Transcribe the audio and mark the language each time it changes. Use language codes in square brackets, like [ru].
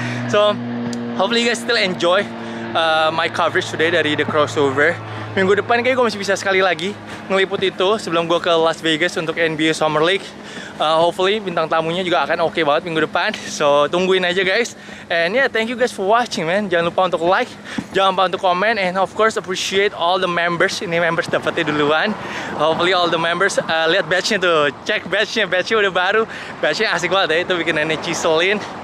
[en] So hopefully you guys still enjoy my coverage today [id] dari [en] The Crossover. [id] Minggu depan kayaknya gue masih bisa sekali lagi ngeliput itu sebelum gue ke Las Vegas untuk NBA Summer League. Hopefully bintang tamunya juga akan oke banget minggu depan. So tungguin aja guys. [en] And yeah, thank you guys for watching man. [id] Jangan lupa untuk like, jangan lupa untuk comment, [en] and of course appreciate all the members. [id] Ini members dapetnya duluan. [en] Hopefully all the members [id] lihat badge-nya tuh. Check badge-nya, badge-nya udah baru. Badge-nya asik banget ya, itu bikin nenek ciselin.